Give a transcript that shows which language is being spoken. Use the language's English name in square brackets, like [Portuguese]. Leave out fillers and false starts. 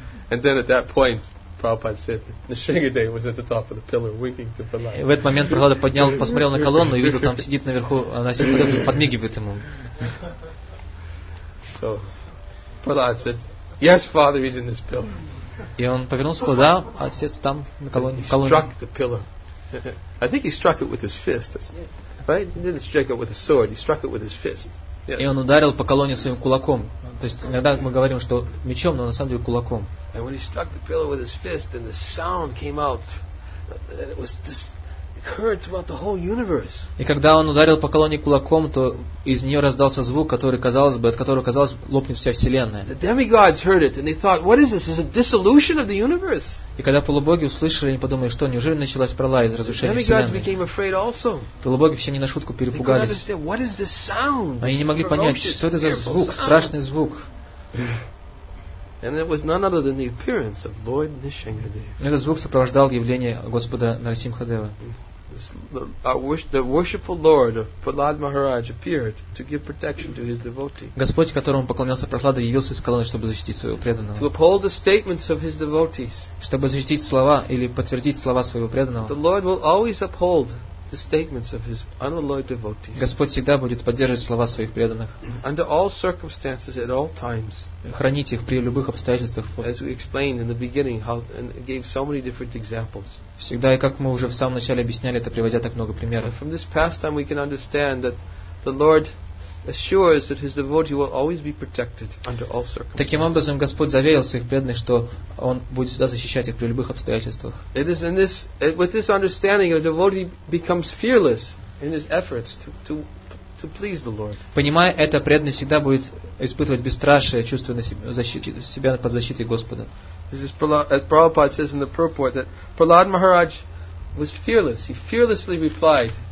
[English] And then at that point, Prabhupada said Nisringadeva was at the top of the pillar winking to Prahlad. [Russian] В этот момент Прохлада поднял, посмотрел на колонну и видел, там сидит наверху, она сидит, подмигивает ему. [English] So Prahlad said, "Yes, father, he's in this pillar." [Russian] И он повернулся, да, отец там на колонне. [English] He struck the pillar. I think he struck it with his fist. Right? He didn't strike it with a sword. He struck it with his fist. Yes. [Russian] И он ударил по колонне своим кулаком. То есть иногда мы говорим, что мечом, но на самом деле кулаком. [English] And when he struck the pillar with his fist, then the sound came out, and it was just, it heard throughout the whole universe. [Russian] И когда он ударил по колонне кулаком, то из нее раздался звук, который, казалось бы, от которого, казалось бы, лопнет вся вселенная. [English] The demigods heard it, and they thought, what is this? Is a dissolution of the universe? [Russian] И когда полубоги услышали, они подумали, что, неужели началась пролая из разрушения вселенной? [English] The demigods became afraid also. [Russian] Полубоги все не на шутку перепугались. [English] They couldn't understand, what is this sound? [Russian] Они не могли понять, что это за звук, страшный звук. [English] And it was none other than the appearance of Lord Nrisimhadeva. [Russian] Этот звук сопровождал явление Господа Нарсимхадева. [English] The worshipful Lord of Prahlad Maharaj appeared to give protection to his devotee. [Russian] Господь, которому поклонялся Прохлада, явился из колонны, чтобы защитить своего преданного. [English] To uphold the statements of his devotees. [Russian] Чтобы защитить слова или подтвердить слова своего преданного. [English] The Lord will always uphold the statements of his unalloyed devotees. [Russian] Господь всегда будет поддерживать слова своих преданных. [English] Under all circumstances, at all times. [Russian] Хранить их при любых обстоятельствах. [English] As we explained in the beginning, how and gave so many different examples. [Russian] Всегда и как мы уже в самом начале объясняли это, приводя так много примеров. [English] From this pastime, we can understand that the Lord assures that his devotee will always be protected under all circumstances. [Russian] Таким образом, Господь заверил своих преданных, что он будет всегда защищать их при любых обстоятельствах. [English] It is in this, with this understanding, a devotee becomes fearless in his efforts to please the Lord. [Russian] Понимая это, преданный всегда будет испытывать бесстрашие, чувствуя себя под защитой Господа. [English] This is Prabhupada says in the purport that Prahlad Maharaj was fearless. He fearlessly replied.